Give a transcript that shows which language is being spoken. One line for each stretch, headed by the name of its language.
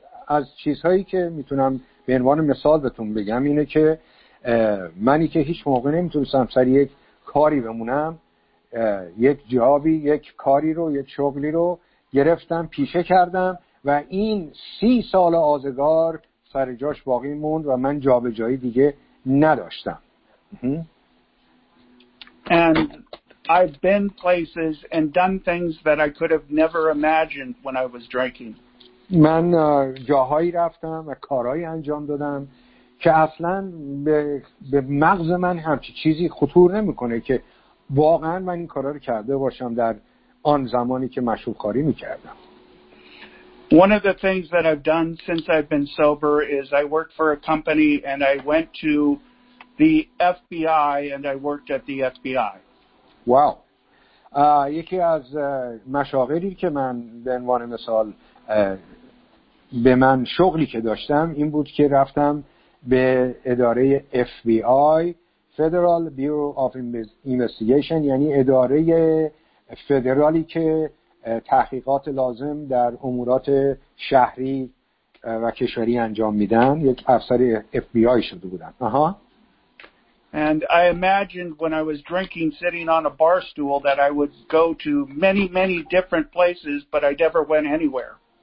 Persian: از چیزهایی که میتونم به عنوان مثال بهتون بگم اینه که منی که هیچ موقع نمیتونستم سر یک کاری بمونم یک جابی یک کاری رو یک شغلی رو گرفتم پیشه کردم و این 30 سال آزگار سر جاش باقی موند و من جابجایی دیگه نداشتم.
English: And I've been places and done things that I could have never imagined when I was drinking.
Persian: من جاهایی رفتم و کارهایی انجام دادم که اصلا به مغز من همچی چیزی خطور نمی‌کنه که واقعا من این کارا رو کرده باشم در آن زمانی که مشروب خاری می‌کردم.
English: One of the things that I've done since I've been sober is I worked for a company and I went to the FBI and I worked at the FBI. Wow.
Persian: یکی از مشاغلی که من به عنوان مثال به من شغلی که داشتم این بود که رفتم به اداره FBI Federal Bureau of Investigation یعنی اداره فدرالی که تحقیقات لازم در امورات شهری و کشوری انجام میدن، یک افسر FBI شده بودن.
English: And I imagined when I was drinking, sitting on a bar stool, that I would go to many, many different places, but I never went anywhere.